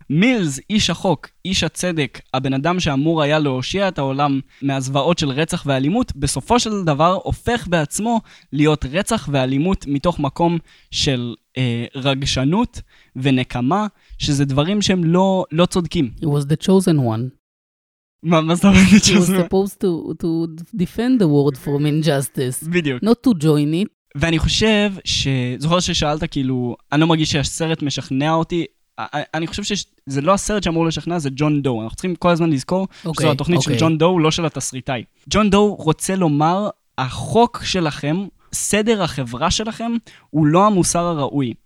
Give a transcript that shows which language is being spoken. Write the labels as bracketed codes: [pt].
[he] מילס, איש החוק, איש הצדק, הבן אדם שאמור היה להושיע את העולם מהזוועות של רצח ואלימות, בסופו של דבר הופך בעצמו להיות רצח ואלימות מתוך מקום של רגשנות ונקמה, שזה דברים שהם לא צודקים. [en] He was the chosen one. [he] מה זאת אומרת? [en] He was supposed to defend the world from injustice. [he] בדיוק. [en] Not to join it. [he] ואני חושב ש... זוכר ששאלת כאילו, אני לא מרגיש שהסרט משכנע אותי. אני חושב שזה לא הסרט שאמור לשכנע, זה ג'ון דו. אנחנו צריכים כל הזמן לזכור שזו התוכנית של ג'ון דו, לא של התסריטאי. ג'ון דו רוצה לומר, החוק שלכם, סדר החברה שלכם, הוא לא המוסר הראוי.